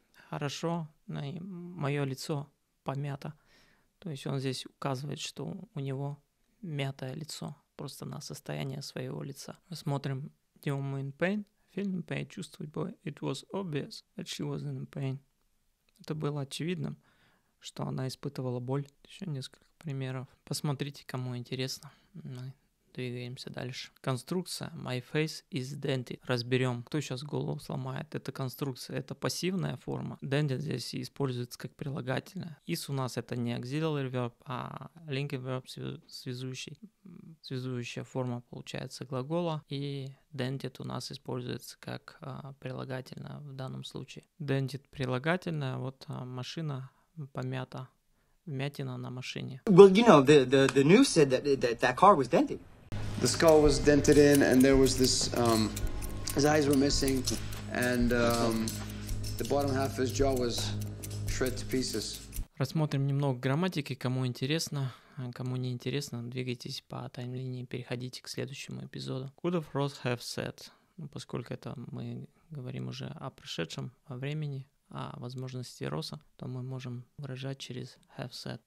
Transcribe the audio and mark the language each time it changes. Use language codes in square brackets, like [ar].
[ru] Хорошо, но и мое лицо помято. То есть он здесь указывает, что у него мятое лицо. Просто на состояние своего лица. Смотрим, где он in pain. Feel in pain, чувствовать боль. [en] It was obvious that she was in pain. [ru] Это было очевидным, что она испытывала боль. Еще несколько примеров. Посмотрите, кому интересно. Мы двигаемся дальше. Конструкция [en] my face is dented. [ru] Разберем, кто сейчас голову сломает. Это конструкция, это пассивная форма. Dented здесь используется как прилагательное. Is у нас это не auxiliary verb, а linking verb, связующий. Связующая форма получается глагола. И dented у нас используется как прилагательное в данном случае. Dented прилагательное, вот машина помята. Вмятина на машине. [en] Well, you know, the news said that car was dented. The skull was dented in, and there was this His eyes were missing, and the bottom half of his jaw was shred to pieces. [ru] Рассмотрим немного грамматики, кому интересно. А кому не интересно, двигайтесь по таймлинии, переходите к следующему эпизоду. [en] Could have Ross have said? [ru] Ну, поскольку это мы говорим уже о прошедшем, о времени, о возможности Росса, то мы можем выражать через have said.